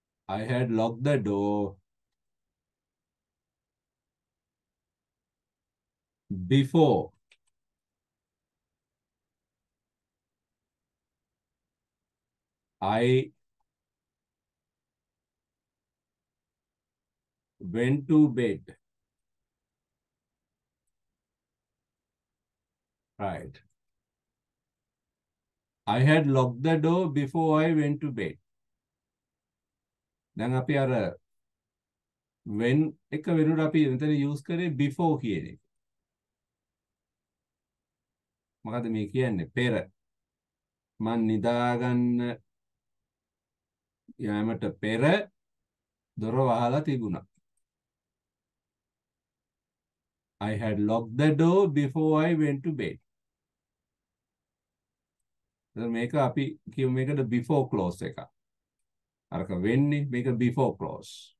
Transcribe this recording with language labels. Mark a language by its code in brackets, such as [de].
[en] I had locked the door before I went to bed. Right. I had locked the door before I went to bed. [si] දැන් අපි අර when එක වෙනුවට අපි මෙතන use කරේ before කියන එක. මොකද මේ කියන්නේ පෙර මං නිදාගන්න යෑමට පෙර දොර වහලා තිබුණා. [en] I had locked the door before I went to bed. [si] මේක අපි කියමු මේකට before clause එක. අරක වෙන්නේ මේක before clause.